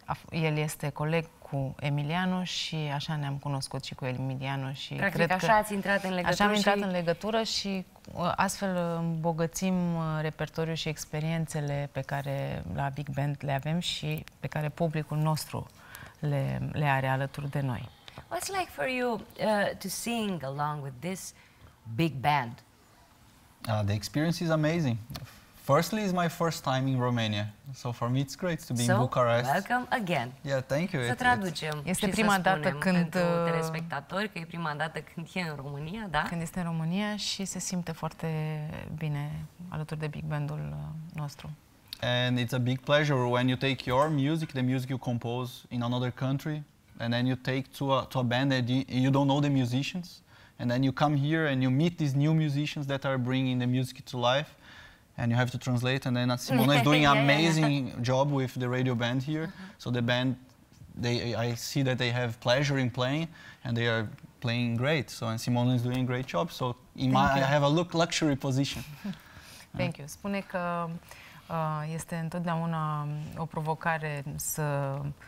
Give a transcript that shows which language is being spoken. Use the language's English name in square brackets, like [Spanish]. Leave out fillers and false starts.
[Romanian] El este coleg cu Emiliano și așa ne-am cunoscut și cu Emiliano. Și practic cred așa că ați intrat în legătură. Așa am intrat în legătură și astfel îmbogățim repertoriul și experiențele pe care la Big Band le avem și pe care publicul nostru le are alături de noi. [English] What's like for you to sing along with this Big Band? The experience is amazing. Firstly, it's my first time in Romania, so for me it's great to be so, in Bucharest. So, welcome again. Yeah, thank you. [Romanian] Să traducem. Este prima dată când telespectatori, că e prima dată când e în România, da? Când este în România și se simte foarte bine alături de Big Bandul nostru. [English] And it's a big pleasure when you take your music, the music you compose in another country, and then you take to a band that you don't know the musicians, and then you come here and you meet these new musicians that are bringing the music to life. And you have to translate, and then Simona is doing an amazing job with the radio band here. Mm-hmm. So the band, I see that they have pleasure in playing, and they are playing great. So and Simona is doing a great job. So I have a luxury position. Thank you. [Romanian] Spune că este întotdeauna o provocare să